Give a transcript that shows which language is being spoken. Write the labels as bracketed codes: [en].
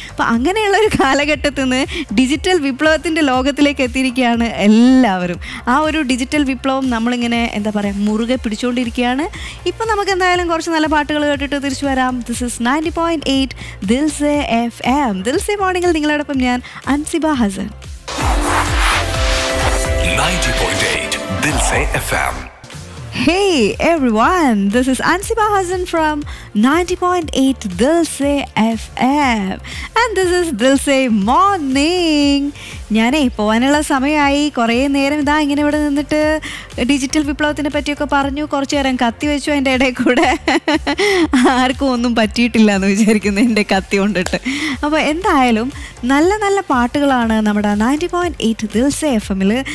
[ml] അപ്പോൾ അങ്ങനെയുള്ള ഒരു കാലഘട്ടത്തിൽ നിന്ന് ഡിജിറ്റൽ വിപ്ലവത്തിൻ്റെ ലോകത്തിലേക്ക് എത്തിയിരിക്കുകയാണ് എല്ലാവരും. ആ ഒരു ഡിജിറ്റൽ വിപ്ലവം നമ്മളിങ്ങനെ എന്താ പറയുക മുറുകെ പിടിച്ചുകൊണ്ടിരിക്കുകയാണ്. ഇപ്പം നമുക്ക് എന്തായാലും കുറച്ച് നല്ല പാട്ടുകൾ കേട്ടിട്ട് തിരിച്ചു വരാം. [en] This is 90.8 Dilse FM. [ml] Dil Se മോർണിംഗിൽ നിങ്ങളോടൊപ്പം ഞാൻ Ansiba Hasan. 90.8 Dil Se FM. [en] Hey everyone, this is Ansiba Hazan from 90.8 Dilse FM and this is Dilse Morning. [ml] ഞാനേ പോകാനുള്ള സമയമായി. കുറേ നേരം ഇതാ ഇങ്ങനെ ഇവിടെ നിന്നിട്ട് ഡിജിറ്റൽ വിപ്ലവത്തിനെ പറ്റിയൊക്കെ പറഞ്ഞു. കുറച്ച് നേരം കത്തി വെച്ചു എൻ്റെ ഇടയിൽ കൂടെ. ആർക്കും ഒന്നും പറ്റിയിട്ടില്ല എന്ന് വിചാരിക്കുന്നു എൻ്റെ കത്തി കൊണ്ടിട്ട്. അപ്പോൾ എന്തായാലും നല്ല നല്ല പാട്ടുകളാണ് നമ്മുടെ 90.8 ദിൽസെ FM-ൽ.